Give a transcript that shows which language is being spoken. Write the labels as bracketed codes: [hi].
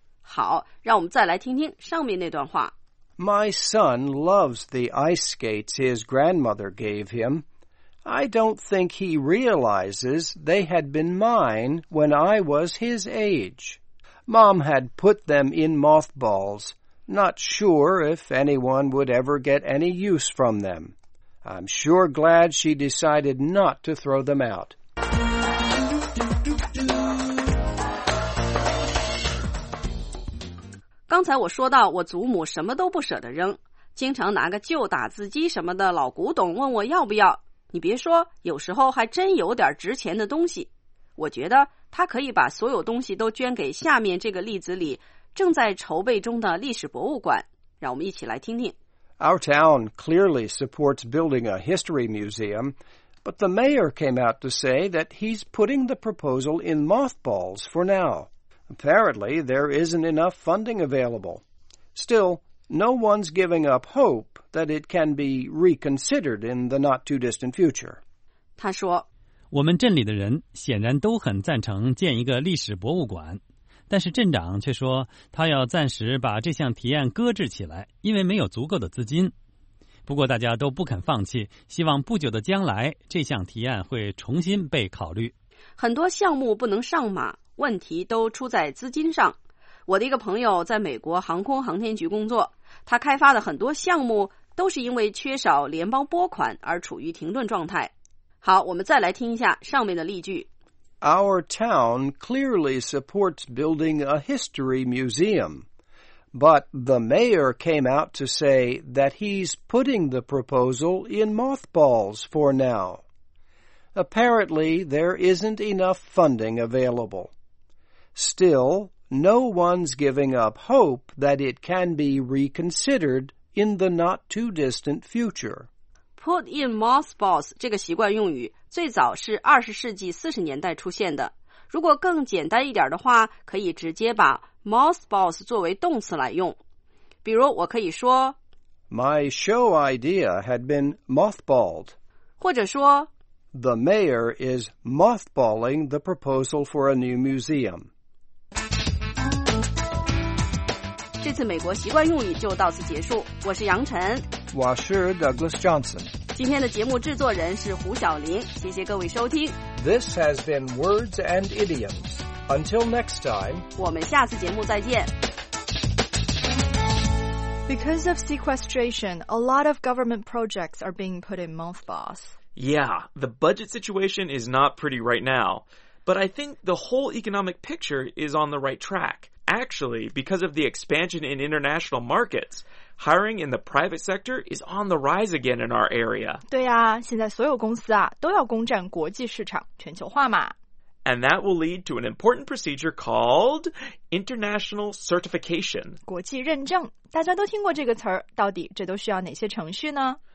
[zh] 好，让我们再来听听上面那段话。 [en] My son loves the ice skates his grandmother gave him. I don't think he realizes they had been mine when I was his age. Mom had put them in mothballs, not sure if anyone would ever get any use from them. I'm sure glad she decided not to throw them out. [zh] 刚才我说到我祖母什么都不舍得扔，经常拿个旧打字机什么的老古董问我要不要。你别说，有时候还真有点值钱的东西。我觉得他可以把所有东西都捐给下面这个例子里正在筹备中的历史博物馆。让我们一起来听听。 [en] Our town clearly supports building a history museum, but the mayor came out to say that he's putting the proposal in mothballs for now. Apparently, there isn't enough funding available. Still, no one's giving up hope that it can be reconsidered in the not-too-distant future. [zh] 他说，我们镇里的人显然都很赞成建一个历史博物馆。但是镇长却说他要暂时把这项提案搁置起来，因为没有足够的资金。不过大家都不肯放弃，希望不久的将来这项提案会重新被考虑。很多项目不能上马，问题都出在资金上。我的一个朋友在美国航空航天局工作，他开发的很多项目都是因为缺少联邦拨款而处于停顿状态。好，我们再来听一下上面的例句。 [en] Our town clearly supports building a history museum, but the mayor came out to say that he's putting the proposal in mothballs for now. Apparently, there isn't enough funding available. Still, no one's giving up hope that it can be reconsidered in the not-too-distant future. Put in mothballs [zh] 这个习惯用语最早是20世纪40年代出现的，如果更简单一点的话，可以直接把 mothballs 作为动词来用。比如我可以说 [en] My show idea had been mothballed. [zh] 或者说 [en] The mayor is mothballing the proposal for a new museum. [zh] 这次美国习惯用语就到此结束，我是杨晨，我是 Douglas Johnson。今天的节目制作人是胡晓林，谢谢各位收听。 [en] This has been Words and Idioms. Until next time, [zh] 我们下次节目再见。 [en] Because of sequestration, a lot of government projects are being put in mothballs. Yeah, the budget situation is not pretty right now. But I think the whole economic picture is on the right track. Actually, because of the expansion in international markets,Hiring in the private sector is on the rise again in our area. [zh] 对啊，现在所有公司啊，都要攻占国际市场，全球化嘛。 [en] And that will lead to an important procedure called international certification. [zh] 国际认证，大家都听过这个词儿，到底这都需要哪些程序呢？